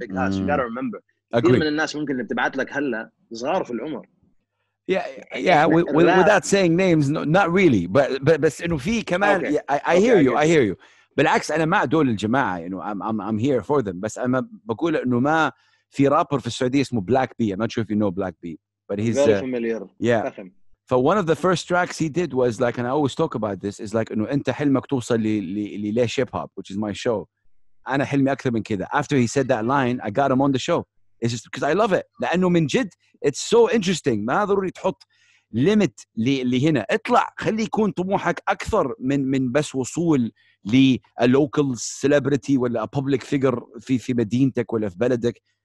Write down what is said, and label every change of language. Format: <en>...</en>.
<ar>Big Hoss,</ar> <en>you gotta remember,</en> <ar>كثير من الناس ممكن اللي بتبعت لك هلا صغار في العمر.</ar> <en>Yeah, without saying names, no, not really, but</en> <ar>إنه في كمان.</ar> <en>I hear you.</en> <ar>بالعكس أنا مع دول الجماعة,</ar> <en>you know, I'm here for them.</en> <ar>بس أنا بقول إنه ما في رابر في السعودية اسمه Black B.</ar> <en>I'm not sure if you know Black B, but he's very familiar. Yeah. For one of the first tracks he did was like, and I always talk about this, is like,</en> <ar>إنه أنت حلمك توصل ل</ar> <en>ليش hip hop, which is my show.</en> <ar>أنا حلمي أكثر من كذا.</ar> <en>After he said that line, I got him on the show. It's just because I love it.</en> <ar>لأنه من جد,</ar> <en>it's so interesting.</en> <ar>ما ضروري تحط limit اللي هنا. اطلع, خلي يكون طموحك أكثر من بس وصول ل</ar> <en>a local celebrity</en> <ar>ولا</ar> <en>a public figure</en> <ar>في مدينتك ولا في بلدك.</ar>